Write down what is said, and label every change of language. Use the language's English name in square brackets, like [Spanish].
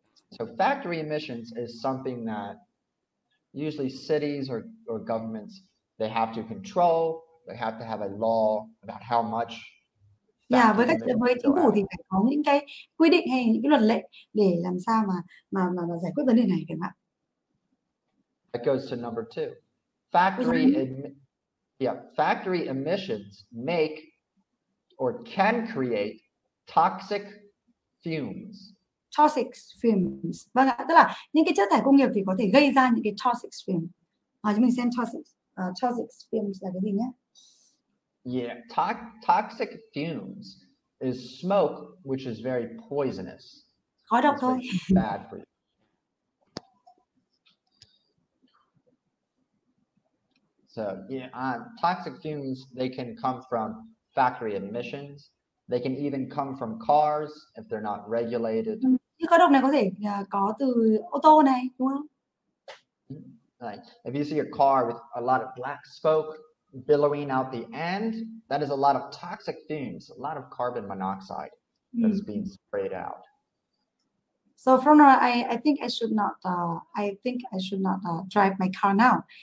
[English] So factory emissions is something that usually cities or governments, they have to control. They have to have a law about how much. [Vietnamese] Yeah, với chính phủ thì phải có những cái quy định hay những cái luật lệ để làm sao mà giải quyết vấn đề này, phải không ạ? [English] That goes to number two, factory. Yeah, factory emissions make or can create toxic fumes. toxic fumes. [Vietnamese] Vâng ạ, tức là những cái chất thải công nghiệp thì có thể gây ra những cái toxic fumes. Chúng mình xem toxic fumes là cái gì nhé. [English] Yeah, toxic fumes is smoke which is very poisonous. [Vietnamese] Khói độc thôi. [English] Bad for you. So, yeah, toxic fumes, they can come from factory emissions. They can even come from cars if they're not regulated. [Vietnamese] Khói độc này có thể có từ ô tô này, đúng không? [English] Like, if you see a car with a lot of black smoke billowing out the end, that is a lot of toxic fumes, a lot of carbon monoxide that is being sprayed out. So from now, I think I should not drive my car now.